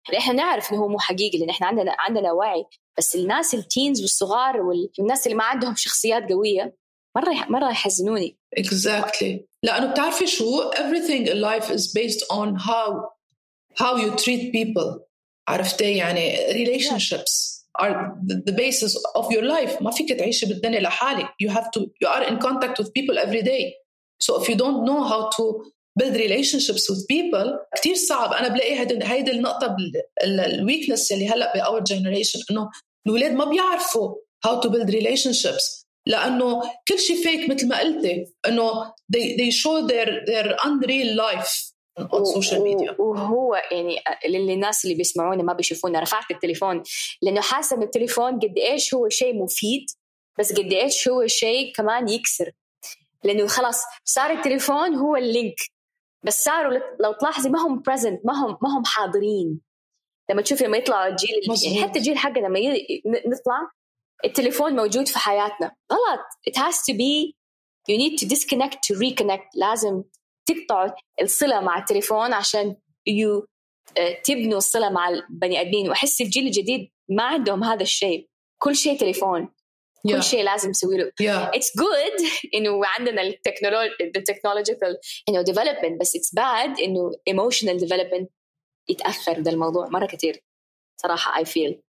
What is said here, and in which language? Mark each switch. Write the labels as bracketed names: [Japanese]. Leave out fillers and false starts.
[Arabic] اللي إحنا نعرف إنه هو مو حقيقي لأن إحنا عندنا وعي، بس الناس التينز والصغار والناس اللي ما عندهم شخصيات قوية مرة يحزنوني. [English] Exactly. [Arabic] لأنه بتعرفي شو [English] everything in life is based on how you treat people. [Arabic] عرفتي يعني [English] relationships are the basis of your life. [Arabic] ما فيك تعيش بالدنيا لحالك. [English] You are in contact with people every day. So if you don't know how to build relationships with people, [Arabic] كتير صعب. أنا بلاقي هيدا النقطة الweakness اللي هلأ بأور [English] generation [Arabic] إنه الولاد ما بيعرفوا [English] how to build relationships [Arabic] لأنه كل شيء [English] fake [Arabic] مثل ما قلتي إنه [English] they show their unreal life on social media. [Arabic] وهو يعني للناس اللي بيسمعوني ما بيشوفوني رفعت التليفون لأنه حاسة إن التليفون قد إيش هو شيء مفيد بس قد إيش هو شيء كمان يكسر. لأنه خلاص صار التليفون هو اللينك، بس صاروا لو تلاحظي ما هم present، ما هم حاضرين. لما تشوفي لما يطلعوا الجيل يعني حتى الجيل حقنا لما نطلع التليفون موجود في حياتنا غلط. [English] It has to be you need to disconnect to reconnect. [Arabic] لازم تقطع الصلة مع التليفون عشان [English] you [Arabic] تبنوا الصلة مع البني أدمين. وأحس الجيل الجديد ما عندهم هذا الشيء، كل شيء تليفون، كل شيء لازم تسوي له. [English] It's good [Arabic] إنه عندنا [English] the technological you know development، [Arabic] بس [English] it's bad [Arabic] إنه [English] emotional development [Arabic] يتأثر ده الموضوع مرة كتير صراحة. [English] I feel